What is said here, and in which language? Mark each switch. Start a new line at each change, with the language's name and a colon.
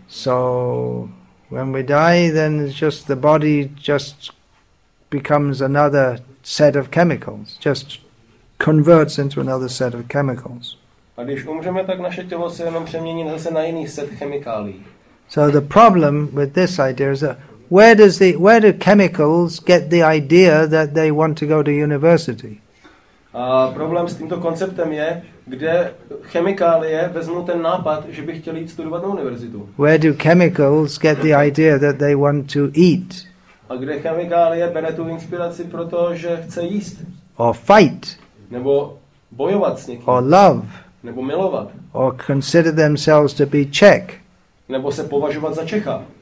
English: So when we die, then it's just the body just becomes another set of chemicals, just converts into another set of chemicals.
Czech: A když umřeme, tak naše tělo se jenom přemění zase na jiný set chemikálií.
English: So the problem with this idea is that where do chemicals get the idea that they want to go to university?
Czech: A problém s tímto konceptem je, kde chemikálie vezmou ten nápad, že by chtěli jít studovat na univerzitu.
English: Where do chemicals get the idea that they want to eat?
Czech: A kde chemikálie bere tu inspiraci pro to, že chce jíst?
English: Or fight?
Czech: Nebo bojovat s někým?
English: Or love?
Czech: Nebo milovat?
English: Or consider themselves to be Czech?
Czech: Nebo se považovat za Čecha?